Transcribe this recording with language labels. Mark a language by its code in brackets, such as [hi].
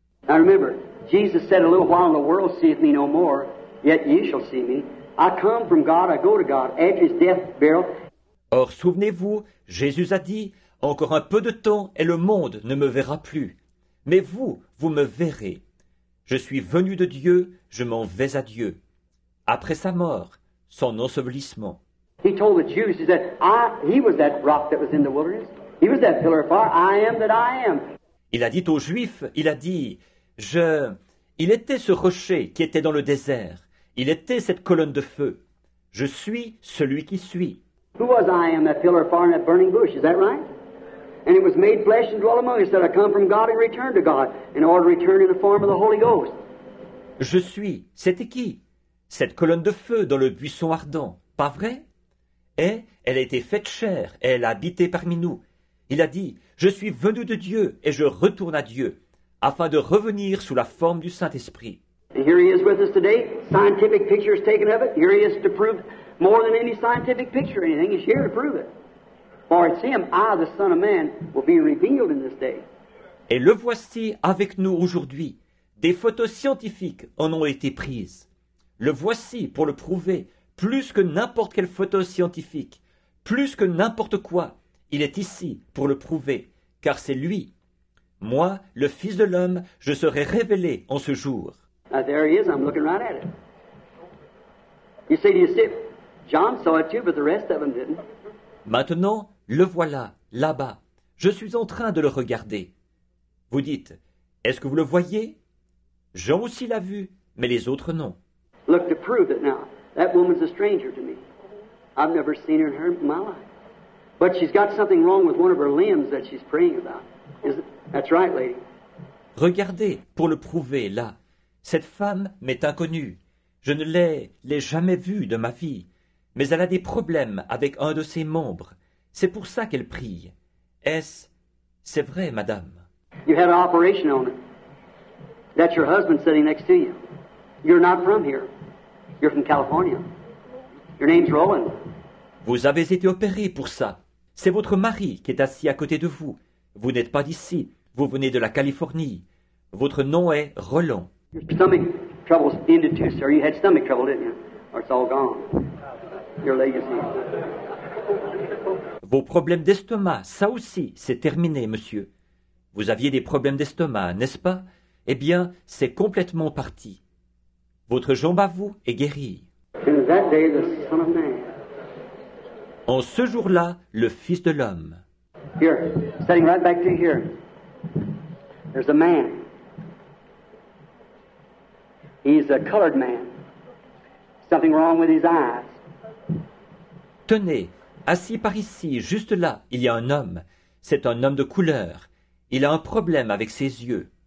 [en] Now remember, Jesus said, a little while in the world seeth me no more, yet ye shall see me. I come from God, I go to God, after his death, burial. [fr] Or, souvenez-vous, Jésus a dit, encore un peu de temps et le monde ne me verra plus. Mais vous, vous me verrez. Je suis venu de Dieu, je m'en vais à Dieu. Après sa mort, son ensevelissement. [en] He told the Jews, he said, he was that rock that was in the wilderness. He was that pillar of fire, I am that I am. [fr] Il a dit aux Juifs, il a dit, il était ce rocher qui était dans le désert. Il était cette colonne de feu. Je suis celui qui suis. [en] Who was I am, that pillar of fire and that burning bush, is that right? And it was made flesh and dwelt among us, that I come from God and return to God, in order to return in the form of the Holy Ghost. [fr] Je suis, c'était qui? Cette colonne de feu dans le buisson ardent, pas vrai? Et elle a été faite chair, et elle a habité parmi nous. Il a dit, je suis venu de Dieu, et je retourne à Dieu, afin de revenir sous la forme du Saint-Esprit. [en] And here he is with us today, scientific picture is taken of it, here he is to prove more than any scientific picture or anything, he's here to prove it. For it's him, I, the Son of Man, will be revealed in this day. [fr] Et le voici avec nous aujourd'hui. Des photos scientifiques en ont été prises. Le voici pour le prouver, plus que n'importe quelle photo scientifique, plus que n'importe quoi, il est ici pour le prouver, car c'est lui. Moi, le Fils de l'homme, je serai révélé en ce jour. [en] There he is, I'm looking right at it. You see, do you see it? John saw it too, but the rest of them didn't. [fr] Maintenant, le voilà, là-bas. Je suis en train de le regarder. Vous dites, est-ce que vous le voyez? Jean aussi l'a vu, mais les autres non. [en] Look to prove it now. That woman's a stranger to me. I've never seen her in her in my life. But she's got something wrong with one of her limbs that she's praying about. Is it? That's right, lady. [fr] Regardez, pour le prouver, là. Cette femme m'est inconnue. Je ne l'ai jamais vue de ma vie. Mais elle a des problèmes avec un de ses membres. C'est pour ça qu'elle prie. Est-ce? C'est vrai, madame. [en] You had an operation on it. That's your husband sitting next to you. You're not from here. You're from California. Your name's Roland. [fr] Vous avez été opéré pour ça. C'est votre mari qui est assis à côté de vous. Vous n'êtes pas d'ici. Vous venez de la Californie. Votre nom est Roland. [en] Your stomach trouble's ended too, sir. You had stomach trouble, didn't you? Or it's all gone. Your legacy. [fr] Vos problèmes d'estomac, ça aussi, c'est terminé, monsieur. Vous aviez des problèmes d'estomac, n'est-ce pas? Eh bien, c'est complètement parti. Votre jambe à vous est guérie. [en] In that day, the Son of Man. [fr] En ce jour-là, le Fils de l'homme. [en] Here, sitting right back to here. There's a man. He's a colored man. Something wrong with his eyes. [fr] Tenez, assis par ici, juste là, il y a un homme. C'est un homme de couleur. Il a un problème avec ses yeux.